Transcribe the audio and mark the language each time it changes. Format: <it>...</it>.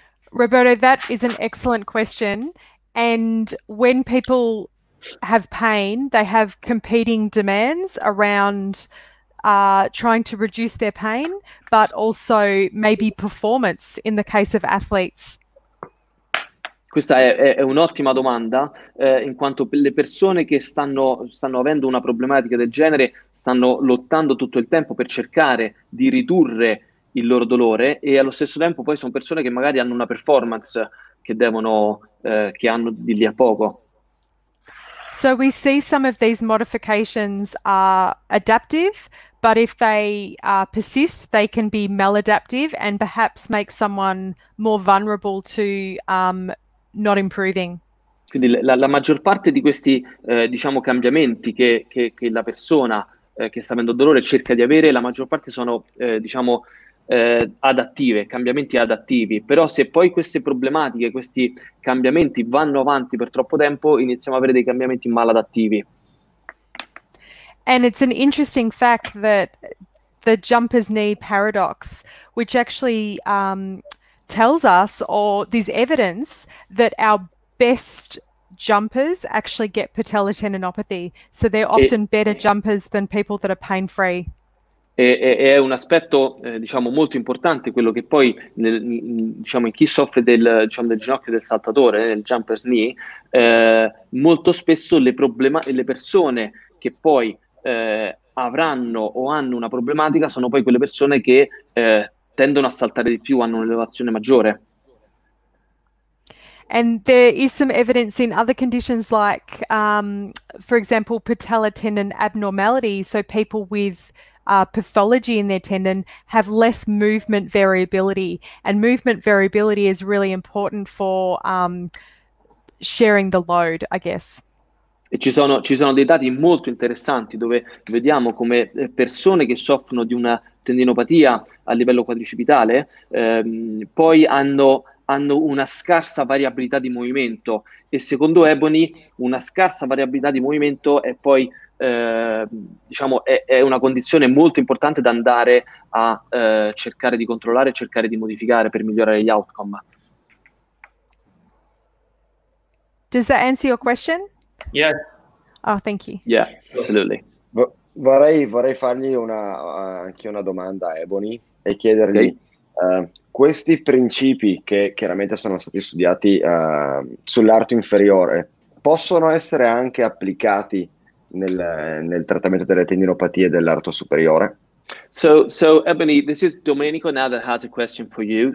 <en>Roberto, that is an excellent question. And when people have pain, they have competing demands around trying to reduce their pain, but also maybe performance in the case of athletes.</en> <it>Questa è un'ottima domanda, in quanto le persone che stanno avendo una problematica del genere stanno lottando tutto il tempo per cercare di ridurre il loro dolore, e allo stesso tempo poi sono persone che magari hanno una performance che devono che hanno di lì a poco.</it> <en>So we see some of these modifications are adaptive, but if they persist, they can be maladaptive and perhaps make someone more vulnerable to not improving.</en> <it>Quindi la maggior parte di questi diciamo cambiamenti che la persona che sta avendo dolore cerca di avere, la maggior parte sono diciamo adattive, cambiamenti adattivi, però se poi queste problematiche, questi cambiamenti vanno avanti per troppo tempo, iniziamo ad avere dei cambiamenti maladattivi.</it> <en>And it's an interesting fact that the jumper's knee paradox, which actually tells us, or this evidence, that our best jumpers actually get patellar tendinopathy, so they're often better jumpers than people that are pain free.</en> <it>È un aspetto diciamo molto importante quello che poi diciamo in chi soffre del ginocchio del saltatore, del jumper's knee, molto spesso le persone che poi avranno o hanno una problematica sono poi quelle persone che tendono a saltare di più, hanno un'elevazione maggiore.</it> <en>And there is some evidence in other conditions like for example patellar tendon abnormality, so people with pathology in their tendon have less movement variability, and movement variability is really important for sharing the load, I guess.</en> <it>E ci sono dei dati molto interessanti dove vediamo come persone che soffrono di una tendinopatia a livello quadricipitale poi hanno una scarsa variabilità di movimento, e secondo Ebony una scarsa variabilità di movimento è poi diciamo è una condizione molto importante da andare a cercare di controllare, cercare di modificare per migliorare gli outcome.</it> <en>Does that answer your question? Yeah. Oh, thank you. Yeah, absolutely.</en> <it>Vorrei fargli anche una domanda a Ebony e chiedergli questi principi che chiaramente sono stati studiati sull'arto inferiore possono essere anche applicati nel trattamento delle tendinopatie dell'arto superiore?</it> <en>So Ebony, this is Domenico now that has a question for you.</en>